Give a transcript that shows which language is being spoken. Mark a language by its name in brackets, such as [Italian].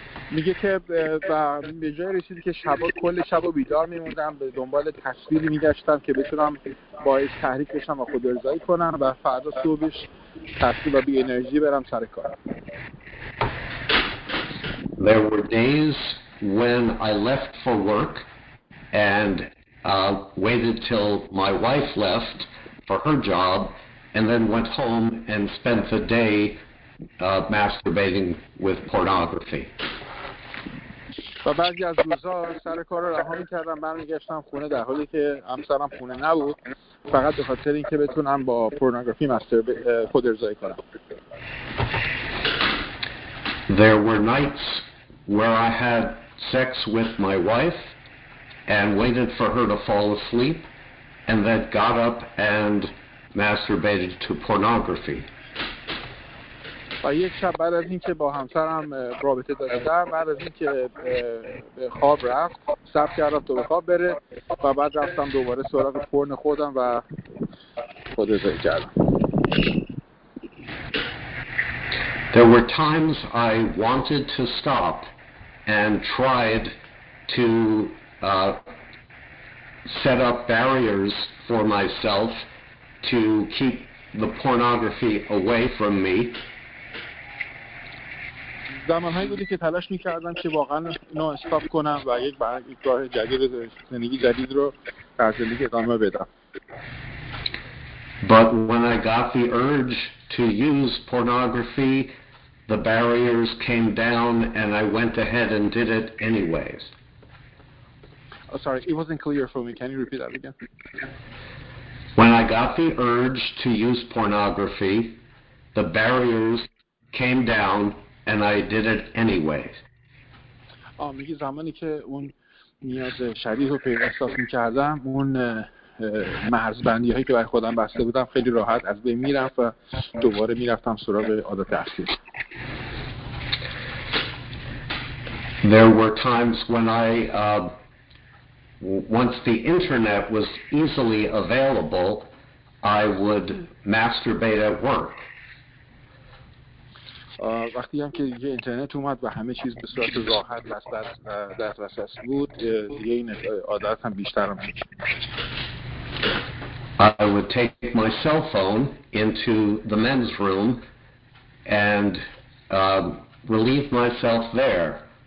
[Persian] میگه که و به جای رسیدی که شبا کل شبا بیدار میموندم به دنبال تصویری میگشتم که بتونم باعث تحریک بشم و خودارضایی کنم و فردا صبحش تصویر و بی انرژی برم سر کار. [English] There were days when I left for work and waited till my wife left for her job and then went home and spent the day masturbating with pornography. [Persian] و بعضی از روزا سر کار رو رها می‌کردم برمیگشتم خونه در حالی که همسرم خونه نبود فقط به خاطر اینکه بتونم با پورنوگرافی مستر خودارضایی کنم. [English] There were nights where I had sex with my wife and waited for her to fall asleep and then got up and masturbated to pornography. [Persian] و یک شب بعد از اینکه با همسرم رابطه داشتم بعد از اینکه به خواب رفت صبر کردم تا به خواب بره و بعد رفتم دوباره سراغ پورن خودم و خودارضایی کردم. [English] There were times I wanted to stop and tried to set up barriers for myself to keep the pornography away from me. [Persian] زمانهایی بودی که تلاش میکردم که واقعا نو استاپ کنم و یک برنامه جدید زندگی جدید رو در زندگی ادامه بدم. [English] But when I got the urge to use pornography, the barriers came down and I went ahead and did it anyways. Oh, sorry, it wasn't clear for me. Can you repeat that again? When I got the urge to use pornography, the barriers came down and I did it anyway. [Persian] میگه زمانی که اون نیاز شدید رو پیداستاس میکردم اون مرزبندی هایی که برای خودم بسته بودم خیلی راحت از بین میرفت و دوباره میرفتم سراغ عادت اصلی. [English] There were times when I once the internet was easily available I would masturbate at work. [Persian] وقتی هم که دیگه اینترنت اومد و همه چیز به صورت راحت دسترس بود دیگه این عادت هم بیشتر هم شد. [English] I would take my cell phone into the men's room and relieve myself there.